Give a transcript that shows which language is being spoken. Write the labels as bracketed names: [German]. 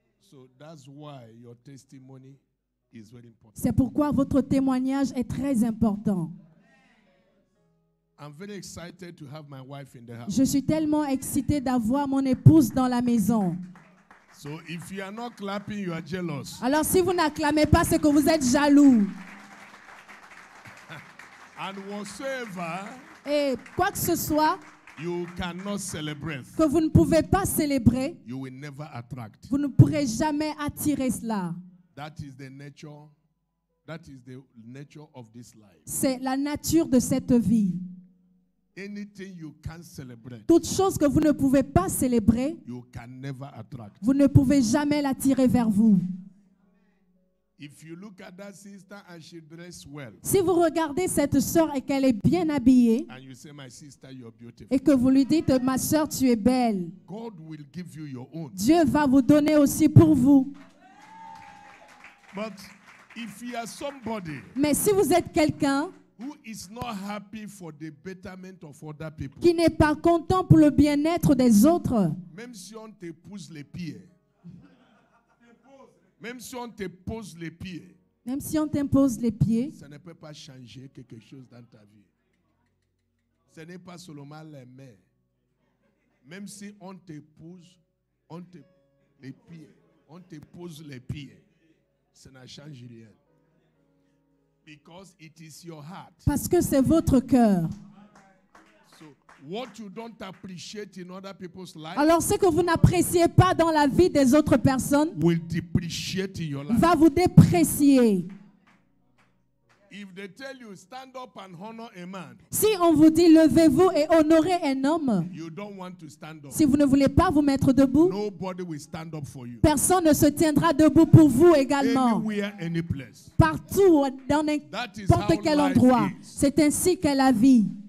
[English] So that's why your testimony is very important. [French] C'est pourquoi votre témoignage est très important. [English] I'm very excited to have my wife in the house. [French] Je suis tellement excité d'avoir mon épouse dans la maison. [English] So if you are not clapping, you are jealous. [French] Alors si vous n'acclamez pas, c'est que vous êtes jaloux. [English] And whatsoever, [French] et quoi que ce soit [English] you cannot celebrate, [French] que vous ne pouvez pas célébrer, [English] you will never attract. [French] Vous ne pourrez jamais attirer cela. [English] That is the nature of this life. [French] C'est la nature de cette vie. [English] Anything you can celebrate, [French] toute chose que vous ne pouvez pas célébrer, [English] you can never attract. [French] Vous ne pouvez jamais l'attirer vers vous. [English] If you look at that sister and she dress well, [French] si vous regardez cette sœur et qu'elle est bien habillée, [English] and you say, my sister, you're beautiful, [French] et que vous lui dites, ma sœur, tu es belle, [English] God will give you your own. [French] Dieu va vous donner aussi pour vous. [English] But if you are somebody, [French] mais si vous êtes quelqu'un [English] who is not happy for the betterment of other people, [French] qui n'est pas content pour le bien-être des autres, même si on te pousse les pieds, même si on te pose les pieds, même si on t'impose les pieds, ça ne peut pas changer quelque chose dans ta vie. Ce n'est pas seulement les mains. Même si on te pose les pieds, on te pose les pieds, ça ne change rien. [English] Because it is your heart. [French] Parce que c'est votre cœur. [English] So, what you don't appreciate in other people's life, [French] alors ce que vous n'appréciez pas dans la vie des autres personnes [English] will depreciate in your life. [French] Va vous déprécier. [English] If they tell you, stand up and honor a man, [French] si on vous dit levez-vous et honorez un homme, [English] you don't want to stand up. [French] Si vous ne voulez pas vous mettre debout, [English] nobody will stand up for you. [French] Personne ne se tiendra debout pour vous également. [English] Anywhere, any place. [French] Partout, dans n'importe quel endroit. [English] Is. [French] C'est ainsi qu'est la vie.